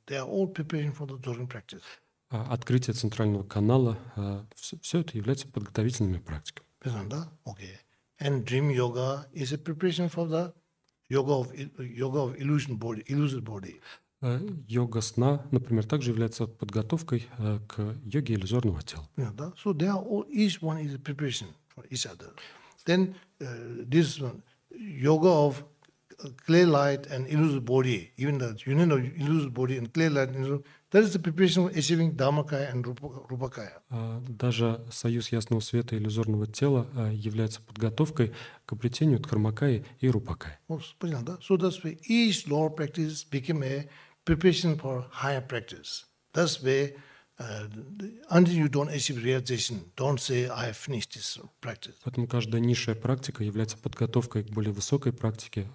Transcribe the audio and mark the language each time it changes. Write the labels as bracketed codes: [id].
[en] They are all preparation for the dzogchen practice. [ru] Открытие центрального канала, все это является подготовительными практиками. Понятно, да? Okay. [en] And dream yoga is a preparation for the yoga of illusion body, illusory body. [ru] Йога сна, например, также является подготовкой к йоге иллюзорного тела. [en] Yeah, да? So they are all, each one is a preparation for each other. Then this one, yoga of clear light and illusory body, even the union of illusory body and clear light, that is the preparation for achieving dhammakaya and rupakaya. [ru] Даже союз ясного света и иллюзорного тела является подготовкой к обретению дхармакаи и рупакаи. Понятно, да? [en] So that's why each lower practice became a preparation for higher practice. That's why until you don't achieve realization, don't say, I have finished this practice. [ru] Поэтому каждая низшая практика является подготовкой к более высокой практике.